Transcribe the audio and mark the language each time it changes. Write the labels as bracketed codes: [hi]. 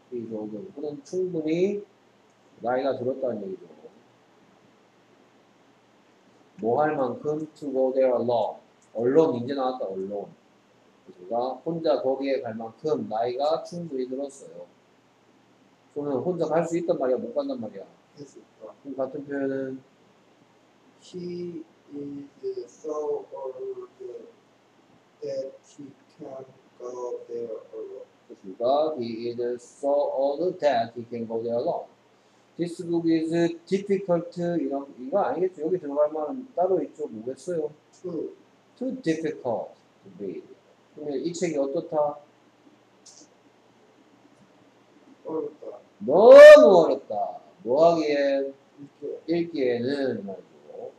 [en] he is old enough [ko] 그는 충분히 나이가 들었다는 얘기죠. 뭐 할 만큼 [en] to go there alone. [ko] 언론 이제 나왔다. 언론 그가 혼자 거기에 갈 만큼 나이가 충분히 들었어요. 그러면 혼자 갈 수 있단 말이야? 못 간단 말이야? 할 수 있다. 그럼 같은 표현은 [en] he is so old that he can go there alone. [ko] 그렇습니까? [en] He is so old that he can go there alone. This book is difficult. [ko] 이런, 이거 아니겠죠? 여기 들어갈 만한 따로 있죠? 뭐겠어요? [en] Too difficult to read. [ko] 그러면 이 책이 어떻다? 어렵다. 너무 어렵다. 뭐 하기에? 읽기에는 말이죠.